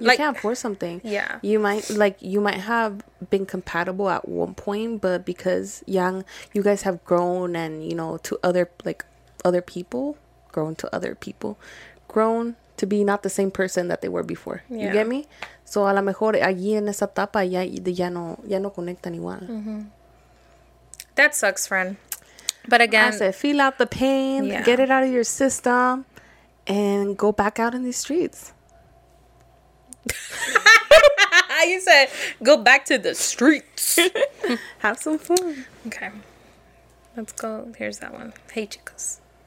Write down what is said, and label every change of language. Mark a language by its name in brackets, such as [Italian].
[English] you like, can't force something. Yeah, you might, like, you might have been compatible at one point, but because young, you guys have grown, and you know, to other, like, other people, grown to be not the same person that they were before. Yeah. You get me? [Spanish] So a lo mejor allí en esa etapa ya no conectan igual. [English] That sucks, friend. But again, I said, feel out the pain, yeah. Get it out of your system, and go back out in these streets. You said, go back to the streets. Have some fun. Okay. Let's go. Here's that one. Hey, chicos.